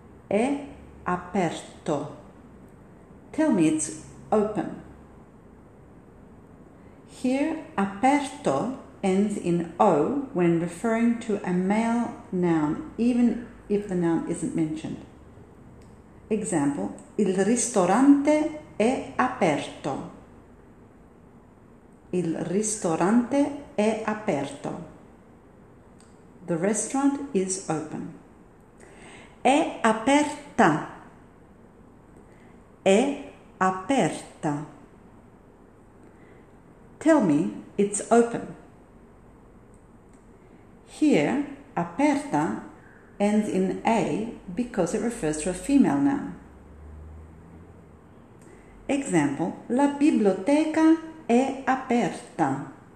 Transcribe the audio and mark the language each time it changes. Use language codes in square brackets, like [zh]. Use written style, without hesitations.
[it] È aperto. [en] Tell me it's open. Here, aperto ends in O when referring to a male noun, even if the noun isn't mentioned. Example, [it] il ristorante è aperto. Il ristorante è aperto. [en] The restaurant is open. [it] È aperta. È aperta. [en] Tell me it's open. Here, aperta ends in A because it refers to a female noun. Example, [it] la biblioteca è aperta.